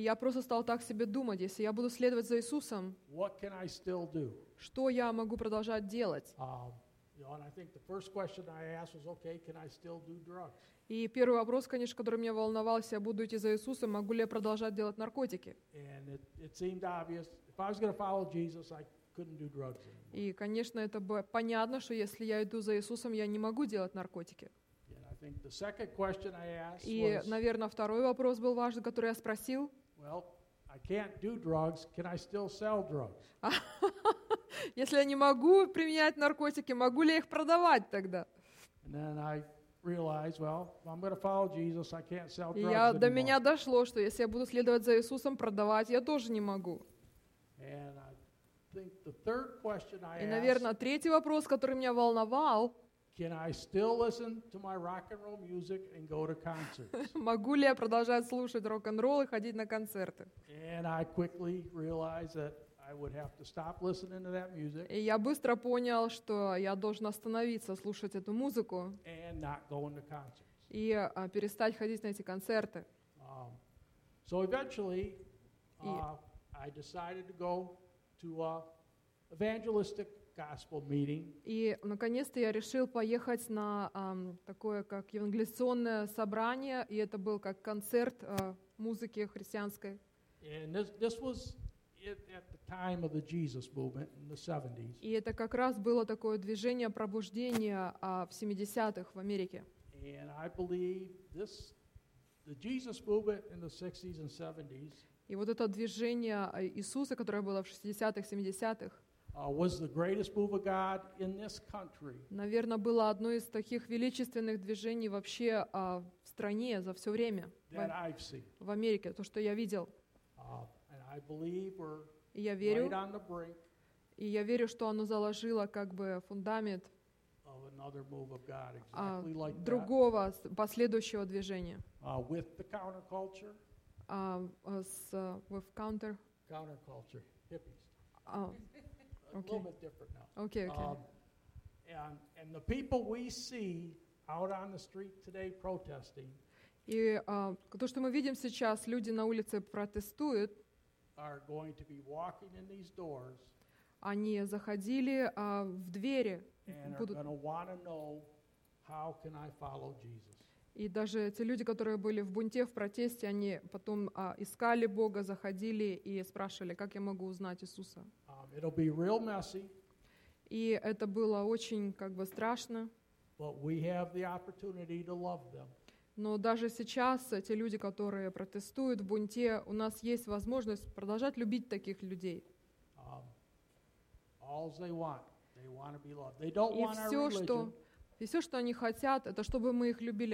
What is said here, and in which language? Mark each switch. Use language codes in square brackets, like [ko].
[ru] я просто стал так себе думать, если я буду следовать за Иисусом, [en] what can I still do? [ru] Что я могу продолжать делать? [en] You know, and I think the first question I asked was, okay, can I still do drugs? [ru] И первый вопрос, конечно, который меня волновал, я буду идти за Иисусом, могу ли я продолжать делать наркотики? [en] And it seemed obvious. If I was going to follow Jesus, I couldn't do drugs anymore. [ru] И, конечно, это бы понятно, что если я иду за Иисусом, я не могу делать наркотики. [en] And I think the second question I asked was, [ru] и, наверное, второй вопрос был важный, который я спросил. [en] Well, I can't do drugs. Can I still sell drugs? [ru] Если я не могу применять наркотики, могу ли я их продавать тогда? [en] And then I realized, well, if I'm going to follow Jesus, I can't sell drugs. [ru] И я до меня дошло, что если я буду следовать за Иисусом, продавать я тоже не могу. [en] And I think the third question I asked. [ru] И, наверное, третий вопрос, который меня волновал. [en] Can I still listen to my rock and roll music and go to concerts? [ru] Могу ли я продолжать слушать рок-н-ролл и ходить на концерты? [en] And I quickly realized that I would have to stop listening to that music. [ru] И я быстро понял, что я должен остановиться слушать эту музыку. [en] And not go to concerts. [ru] И перестать ходить на эти концерты. [en] So eventually, I decided to go to a evangelistic gospel meeting. [ru] И наконец-то я решил поехать на такое как евангелизационное собрание, и это был как концерт музыки христианской. [en] And this was at the time of the Jesus movement in the 70s. [ru] И это как раз было такое движение пробуждения в 70-х в Америке. [en] And I believe this the Jesus movement in the 60s and 70s. [ru] И вот это движение Иисуса, которое было в 60-х, 70-х. [en] Was the greatest move of God in this country. [ru] Наверное, было одно из таких величественных движений вообще в стране за все время. [en] That I've seen. [ru] В Америке, то, что я видел. [en] And I believe we're [ru] и я верю, [en] right on the brink. [ru] И я верю, что оно заложило как бы фундамент [en] of another move of God, exactly like that. [ru] Другого последующего движения. [en] With the counterculture. Counterculture. Hippies. Okay. A little bit different now. Okay. And the people we see out on the street today protesting. [ru] И то, что мы видим сейчас, люди на улице протестуют. [en] Are going to be walking in these doors. [ru] Они заходили в двери. [en] And are going to want to know how can I follow Jesus. [ru] И даже те люди, которые были в бунте, в протесте, они потом искали Бога, заходили и спрашивали, как я могу узнать Иисуса. [en] It'll be real messy. [ru] И это было очень как бы страшно. [en] But we have the opportunity to love them. [ru] Но даже сейчас те люди, которые протестуют в бунте, у нас есть возможность продолжать любить таких людей. [en] All they want, they want to be loved. They don't want our religion. [ru] И все, что они хотят, это чтобы мы их любили.